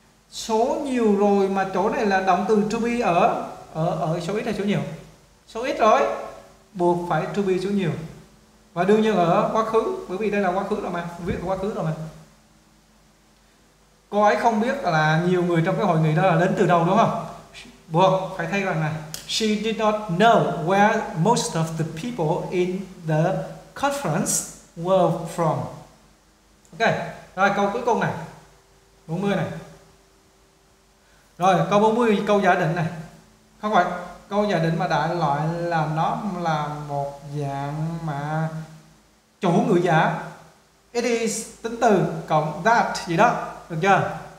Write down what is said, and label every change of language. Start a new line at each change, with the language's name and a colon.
Vietnamese: Số nhiều rồi mà chỗ này là động từ to be ở số ít hay số nhiều? Số ít rồi, buộc phải to be số nhiều. Và đương nhiên ở quá khứ, bởi vì đây là quá khứ rồi mà, viết quá khứ rồi mà. Cô ấy không biết là nhiều người trong cái hội nghị đó là đến từ đâu đúng không? Buộc phải thay rằng này,
English: she did not know where most of the people in the conference were from.
Vietnamese: Ok, rồi câu cuối cùng này, 40 này. Rồi câu 40, câu giả định này. Không phải, câu giả định mà đại loại là nó là một dạng mà chủ ngữ giả. It is tính từ cộng that gì đó, được chưa?